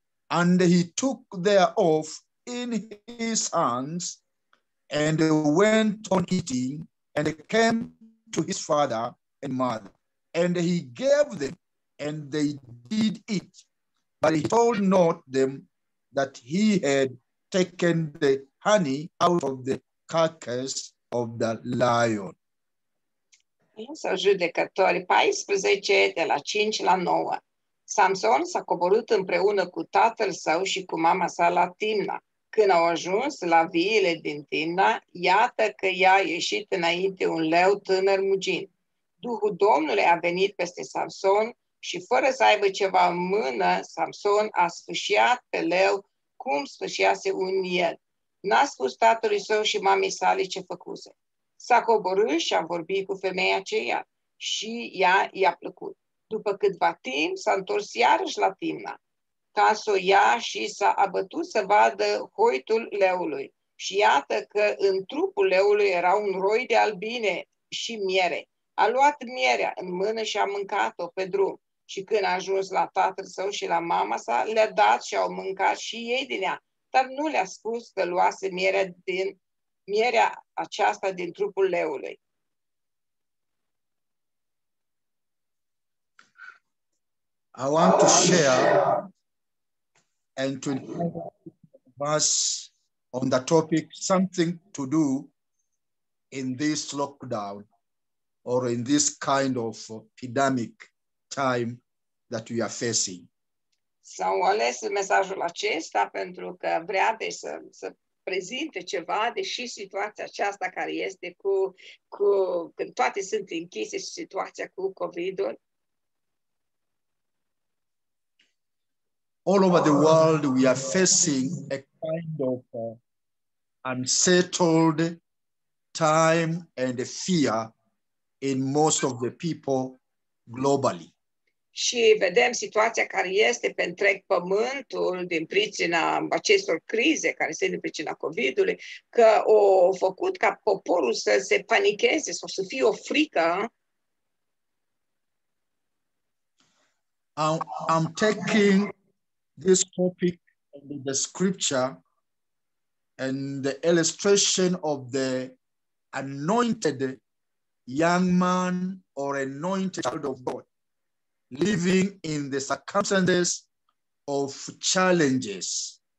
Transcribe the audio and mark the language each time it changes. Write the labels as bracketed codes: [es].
[en] And he took thereof in his hands and went on eating and came to his father and mother. And he gave them, and they did eat. But he told not them that he had taken the honey out of the carcass of the lion. [ro] Sau judecători 14, de la 5 la 9. Samson s-a coborât împreună cu tatăl său și cu mama sa la Timna. Când au ajuns la viile din Timna, iată că i-a ieșit înainte un leu tânăr mugind. Duhul Domnului a venit peste Samson și fără să aibă ceva în mână, Samson a sfâșiat pe leu cum sfâșiase un miel. N-a spus tatălui său și mamei sale ce făcuse. S-a coborât și a vorbit cu femeia aceea și ea i-a plăcut. După câtva timp, s-a întors iarăși la Timna, ca să o ia și s-a abătut să vadă hoitul leului. Și iată că în trupul leului era un roi de albine și miere. A luat mierea în mână și a mâncat-o pe drum. Și când a ajuns la tatăl său și la mama sa, le-a dat și au mâncat și ei din ea. Dar nu le-a spus că luase mierea, din, mierea aceasta din trupul leului. [en] I want to share and to pass on the topic something to do in this lockdown or in this kind of pandemic time that we are facing. [ro] S-au ales mesajul acesta pentru că vrea deci să prezinte ceva deși situația aceasta care este cu când toate sunt închise și situația cu COVID-ul. [en] All over the world, we are facing a kind of unsettled time and fear in most of the people globally. [ro] Și vedem situația care este pe întreg pământul din pricina acestor crize care sunt din pricina COVID-ului, că au făcut ca poporul să se panicheze sau să fie o frică. [en] I'm taking this topic and the scripture and the illustration of the anointed young man or anointed child of God living in the circumstances of challenges.